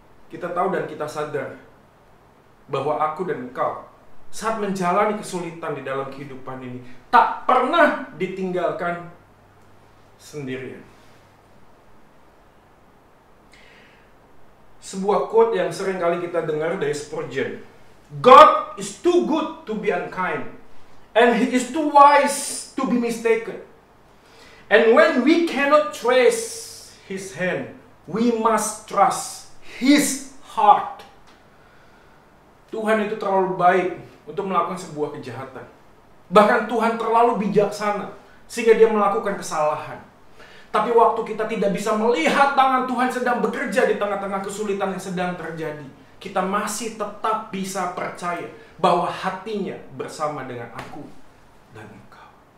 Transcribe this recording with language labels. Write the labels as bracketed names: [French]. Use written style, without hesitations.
[Indonesian] Kita tahu dan kita sadar bahwa aku dan engkau saat menjalani kesulitan di dalam kehidupan ini tak pernah ditinggalkan sendirian. Sebuah quote yang sering kali kita dengar dari Spurgeon. [English] God is too good to be unkind, and he is too wise to be mistaken. And when we cannot trace his hand, we must trust his heart. [Indonesian] Tuhan itu terlalu baik untuk melakukan sebuah kejahatan. Bahkan Tuhan terlalu bijaksana sehingga dia melakukan kesalahan. Tapi waktu kita tidak bisa melihat tangan Tuhan sedang bekerja di tengah-tengah kesulitan yang sedang terjadi, kita masih tetap bisa percaya bahwa hatinya bersama dengan aku dan engkau.